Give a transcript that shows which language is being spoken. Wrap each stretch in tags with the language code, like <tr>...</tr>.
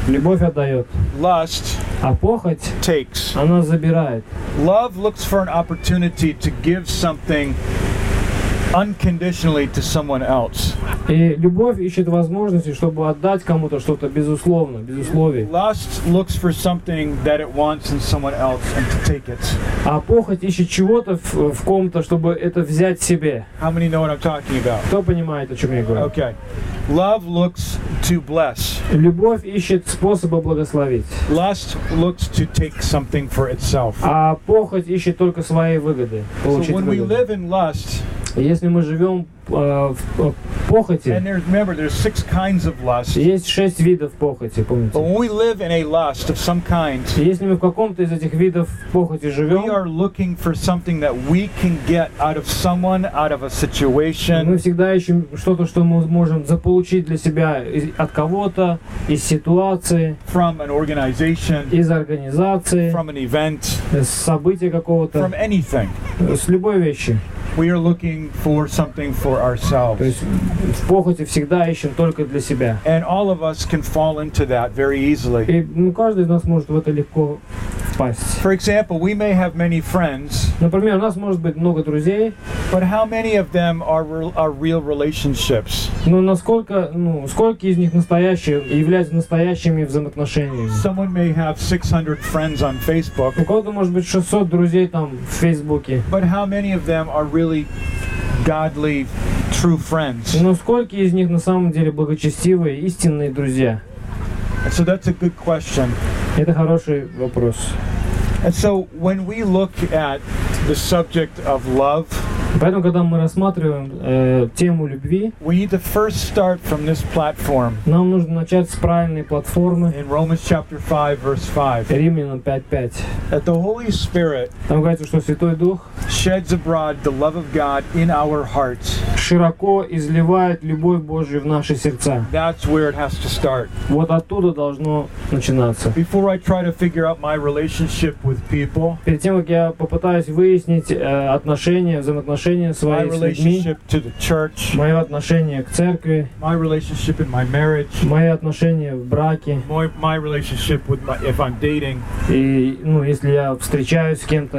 <ru>Любовь отдает.</ru> <en>Lust.</en> <ru>А похоть</ru> <en>takes.</en> <ru>Она забирает.</ru> <en>Love looks for an opportunity to give something unconditionally to someone else.</en> <ru>И любовь ищет возможности, чтобы отдать кому-то что-то безусловно, без условий.</ru> <en>Lust looks for something that it wants in someone else and to take it.</en> <ru>А похоть ищет чего-то в ком-то, чтобы это взять себе.</ru> <en>How many know what I'm talking about?</en> <ru>Кто понимает, о чем я говорю?</ru> <en>Okay. Love looks to bless.</en> <ru>Любовь ищет способа благословить.</ru> <en>Lust looks to take something for itself.</en> <ru>А похоть ищет только свои выгоды, получить выгоду.</ru> <en>So when we live in lust,</en> <ru>если мы живем в похоти,</ru> <en>and there's, remember, there's six kinds of lust.</en> <ru>Есть шесть видов похоти, помните?</ru> <en>But when we live in a lust of some kind,</en> <ru>если мы в каком-то из этих видов похоти живем,</ru> <en>we are looking for something that we can get out of someone, out of a situation.</en> <ru>Мы всегда ищем что-то, что мы можем заполучить для себя от кого-то, из ситуации,</ru> <en>from an organization,</en> <ru>из организации,</ru> <en>from an event,</en> <ru>из события какого-то,</ru> <en>from anything,</en> <ru>с любой вещи.</ru> <en>We are looking for something for ourselves.</en> <ru>То есть, в похоти всегда ищем только для себя.</ru> <en>And all of us can fall into that very easily.</en> <ru>И, ну, каждый из нас может в это легко спасть.</ru> <en>For example, we may have many friends.</en> <ru>Например, у нас может быть много друзей.</ru> <en>But how many of them are real relationships?</en> <ru>Ну, насколько, ну, сколько из них настоящие, являются настоящими взаимоотношениями?</ru> <en>Someone may have 600 friends on Facebook.</en> <ru>У кого-то может быть 600 друзей там в Фейсбуке.</ru> <en>But how many of them are really godly, true friends?</en> <ru>Ну, сколько из них на самом деле благочестивые, истинные друзья?</ru> <en>And so that's a good question.</en> <ru>Это хороший вопрос.</ru> <en>And so when we look at the subject of love,</en> <ru>поэтому, когда мы рассматриваем тему любви,</ru> <en>we need to first start from this platform.</en> <ru>Нам нужно начать с правильной платформы.</ru> <en>In Romans chapter 5, verse 5.</en> <ru>Римлянам 5:5.</ru> <en>That the Holy Spirit,</en> <ru>там говорится, что Святой Дух,</ru> <en>sheds abroad the love of God in our hearts.</en> <ru>Широко изливает любовь Божию в наши сердца.</ru> <en>That's where it has to start.</en> <ru>Вот оттуда должно начинаться.</ru> <en>Before I try to figure out my relationship with people,</en> <ru>перед тем, как я попытаюсь выяснить отношения, взаимоотношения с вами,</ru> <en>my relationship to the church,</en> <ru>мое отношение к церкви,</ru> <en>my relationship in my marriage,</en> <ru>мои отношения в браке,</ru> <en>my relationship with my, if I'm dating,</en> <ru>и, ну, если я встречаюсь с кем-то,</ru>